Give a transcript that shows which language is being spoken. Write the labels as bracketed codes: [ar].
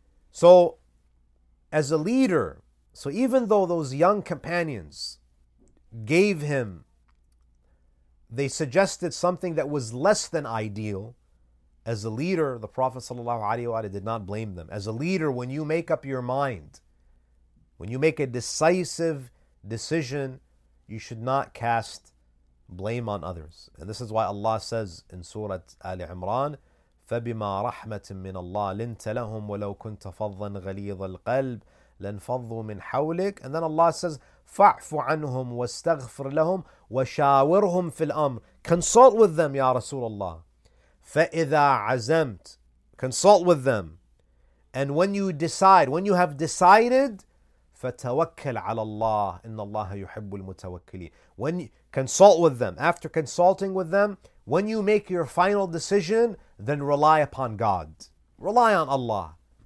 [en] So, as a leader, so even though those young companions gave him, they suggested something that was less than ideal, as a leader, the Prophet ﷺ did not blame them. As a leader, when you make up your mind, when you make a decisive decision, you should not cast blame on others. And this is why Allah says in Surah Ali Imran, [ar] فَبِمَا رَحْمَةٍ مِّنَ اللَّهِ لِنْتَ لَهُمْ وَلَوْ كُنْتَ فَضًّا غَلِيظَ الْقَلْبِ لَنْفَضُّوا مِنْ حَوْلِكَ. [en] And then Allah says, [ar] فَعْفُ عَنْهُمْ وَاسْتَغْفِرْ لَهُمْ وَشَاوِرْهُمْ فِي الْأَمْرِ. [en] Consult with them, Ya Rasulullah. [ar] فَإِذَا عَزَمْتَ, [en] consult with them. And when you decide, when you have decided, [ar] فَتَوَكَّلْ عَلَى اللَّهِ إِنَّ اللَّهَ يُحِبُّ الْمُتَوَكِّلِينَ. [en] When you consult with them, after consulting with them, when you make your final decision, then rely upon God. Rely on Allah.